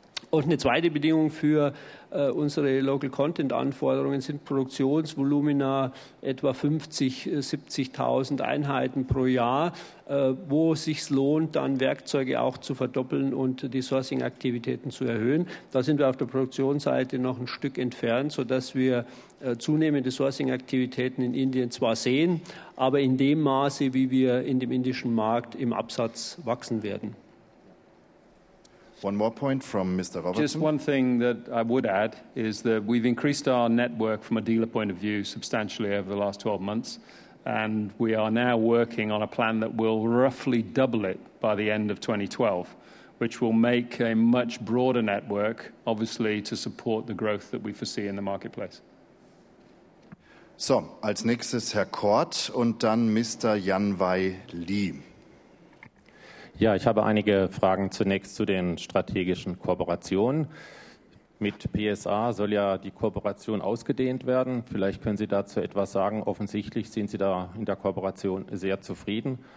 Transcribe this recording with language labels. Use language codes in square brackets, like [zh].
[de] Und eine zweite Bedingung für unsere Local-Content-Anforderungen sind Produktionsvolumina etwa 50.000, 70.000 Einheiten pro Jahr, wo es sich lohnt, dann Werkzeuge auch zu verdoppeln und die Sourcing-Aktivitäten zu erhöhen. Da sind wir auf der Produktionsseite noch ein Stück entfernt, sodass wir zunehmende Sourcing-Aktivitäten in Indien zwar sehen, aber in dem Maße, wie wir in dem indischen Markt im Absatz wachsen werden. [en] One more point from Mr. Robertson. Just one thing that I would add is that we've increased our network from a dealer point of view substantially over the last 12 months, and we are now working on a plan that will roughly double it by the end of 2012, which will make a much broader network, obviously, to support the growth that we foresee in the marketplace. [de] So, als nächstes Herr Kort und dann Mr. Yan Wai Lee. Ja, ich habe einige Fragen zunächst zu den strategischen Kooperationen. Mit PSA soll ja die Kooperation ausgedehnt werden. Vielleicht können Sie dazu etwas sagen. Offensichtlich sind Sie da in der Kooperation sehr zufrieden.